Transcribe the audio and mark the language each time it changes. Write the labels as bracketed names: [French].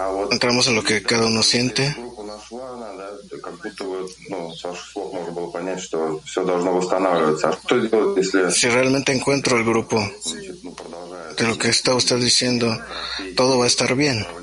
[Spanish] Entramos en lo que cada uno siente. [Russian] плавно, да, как будто вот, ну, с ваших слов можно было понять, что все должно восстанавливаться. А что делать, если... [Spanish] Si realmente encuentro el grupo, de lo que está usted diciendo, todo va a estar bien.